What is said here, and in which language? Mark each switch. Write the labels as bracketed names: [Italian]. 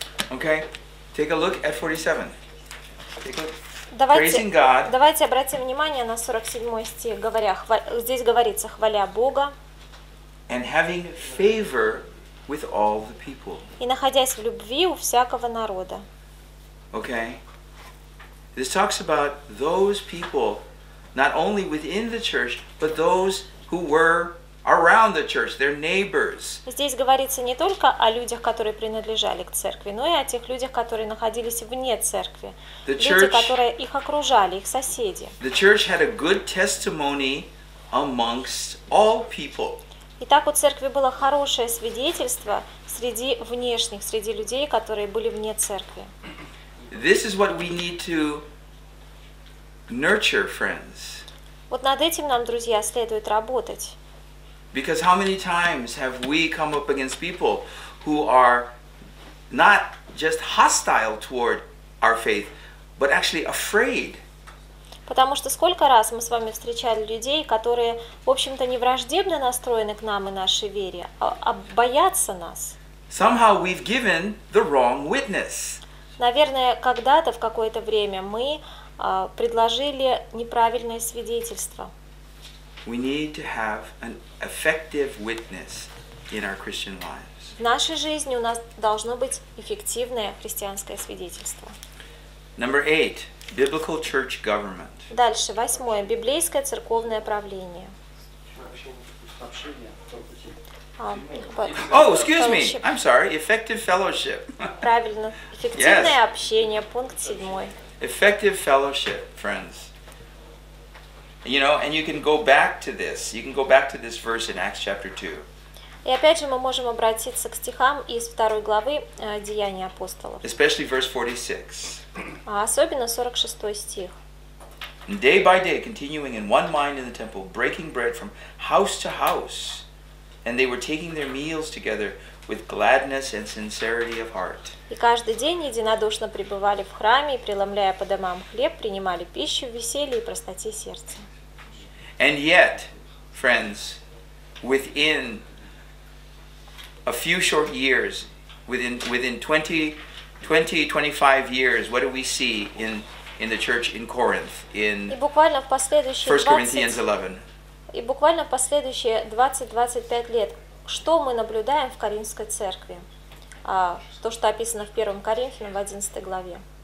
[English] Okay, take a look at 47. Take a look. [Russian] Давайте обратим внимание на 47 стих, говоря, здесь говорится, хваля Бога [English] and having favor with all the people. [Russian] И находясь в любви у всякого народа. Okay. [English] This talks about those people, not only within the church, but those who were around the church, their neighbors. [Russian] Здесь говорится не только о людях, которые принадлежали к церкви, но и о тех людях, которые находились вне церкви. [English] The church, [Russian] люди, которые их окружали, их соседи. [English] The church had a good testimony amongst all people. [Russian] Итак, у церкви было хорошее свидетельство среди внешних, среди людей, которые были вне церкви. [English] This is what we need to nurture, friends. [Russian] Вот над этим нам, друзья, следует работать. [English] Because how many times have we come up against people who are not just hostile toward our faith, but actually afraid? [Russian] Потому что сколько раз мы с вами встречали людей, которые, в общем-то, не враждебно настроены к нам и нашей вере, а боятся нас? [English] Somehow we've given the wrong witness. [Russian] Наверное, когда-то, в какое-то время, мы предложили неправильное свидетельство. [English] We need to have an effective witness in our Christian lives. [Russian] В нашей жизни у нас должно быть эффективное христианское свидетельство. [English] Number 8. Biblical church government. [Russian] Дальше, восьмое. Библейское церковное правление. [English] Effective fellowship. [Russian] Правильно. Эффективное общение. Пункт седьмой. [English] Effective fellowship, friends. You know, and you can go back to this. You can go back to this verse in Acts chapter 2. [Russian] И опять же мы можем обратиться к стихам из второй главы Деяний апостолов. [English] Especially verse 46. [Russian] А особенно 46 стих. [English] Day by day, continuing in one mind in the temple, breaking bread from house to house, and they were taking their meals together with gladness and sincerity of heart. [Russian] И каждый день единодушно пребывали в храме, и, преломляя по домам хлеб, принимали пищу в веселье и простоте сердца. [English] And yet, friends, within a few short years, within 20-25 years, what do we see in the church in Corinth, in 1 Corinthians 11? [Russian] И буквально в последующие 20-25 лет, что мы наблюдаем в Коринфской церкви? То, что описано в 1 Коринфянам в 11 главе.